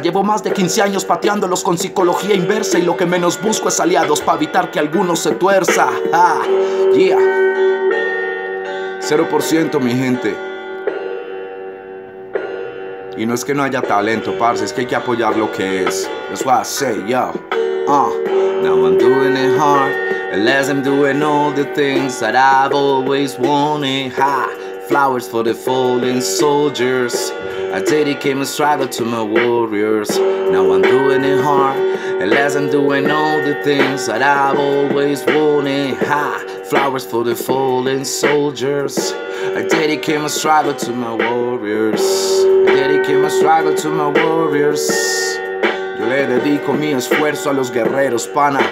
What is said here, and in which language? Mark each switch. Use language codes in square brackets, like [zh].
[es] Llevo más de 15 años pateándolos con psicología inversa, y lo que menos busco es aliados pa' evitar que alguno se tuerza. Ah, yeah. 0% mi gente. Y no es que no haya talento, parce, es que hay que apoyar lo que es. [en] That's what I say, yo. Now I'm doing it hard, unless I'm doing all the things that I've always wanted. Ha! Flowers for the fallen soldiers, I dedicate my struggle to my warriors. Now I'm doing it hard, unless I'm doing all the things that I've always wanted. Ha! Flowers for the fallen soldiers, I dedicate my struggle to my warriors. I dedicate my struggle to my warriors. [es] Yo le dedico mi esfuerzo a los guerreros, pana.